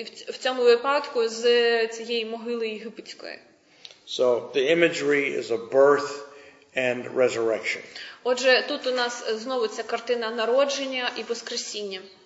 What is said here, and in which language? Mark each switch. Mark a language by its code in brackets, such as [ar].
[uk] В цьому випадку з цієї могили єгипетської. [en] So the imagery is a birth and resurrection. [uk] Отже, тут у нас знову ця картина народження і воскресіння.